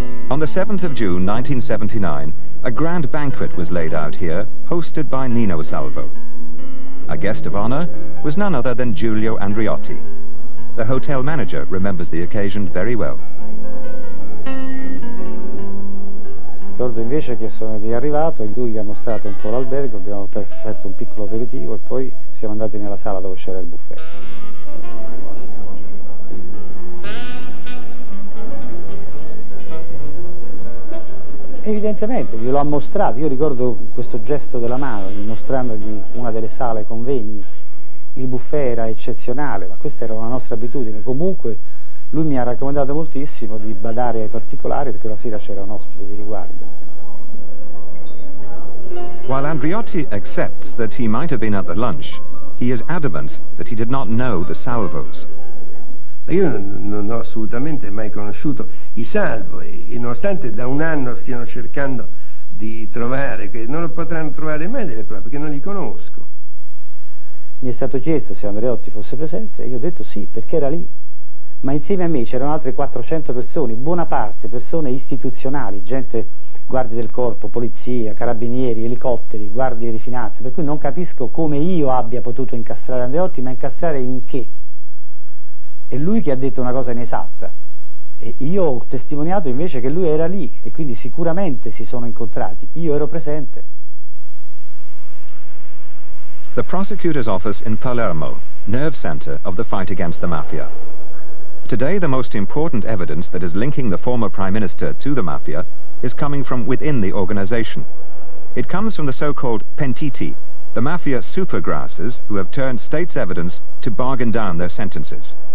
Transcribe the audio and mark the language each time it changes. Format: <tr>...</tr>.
<en>On the 7th of June 1979, a grand banquet was laid out here, hosted by Nino Salvo. A guest of honor was none other than Giulio Andreotti. The hotel manager remembers the occasion very well.</en> <it>Ricordo invece che sono arrivato e lui gli ha mostrato un po' l'albergo, abbiamo fatto un piccolo aperitivo e poi siamo andati nella sala dove c'era il buffet. Evidentemente glielo ha mostrato, io ricordo questo gesto della mano mostrandogli una delle sale convegni, il buffet era eccezionale, ma questa era la nostra abitudine, comunque lui mi ha raccomandato moltissimo di badare ai particolari perché la sera c'era un ospite di riguardo.</it> <en>While Andreotti accepts that he might have been at the lunch, he is adamant that he did not know the Salvos.</en> <it>Io non ho assolutamente mai conosciuto i Salvo e nonostante da un anno stiano cercando di trovare, che non lo potranno trovare mai delle prove, perché non li conosco. Mi è stato chiesto se Andreotti fosse presente e io ho detto sì, perché era lì. Ma insieme a me c'erano altre 400 persone, buona parte persone istituzionali, gente, guardie del corpo, polizia, carabinieri, elicotteri, guardie di finanza, per cui non capisco come io abbia potuto incastrare Andreotti, ma incastrare in che? È lui che ha detto una cosa inesatta e io ho testimoniato invece che lui era lì e quindi sicuramente si sono incontrati. Io ero presente.</it> <en>The prosecutor's office in Palermo, nerve center of the fight against the mafia. Today the most important evidence that is linking the former prime minister to the mafia is coming from within the organization. It comes from the so-called pentiti, the mafia supergrasses who have turned state's evidence to bargain down their sentences.</en>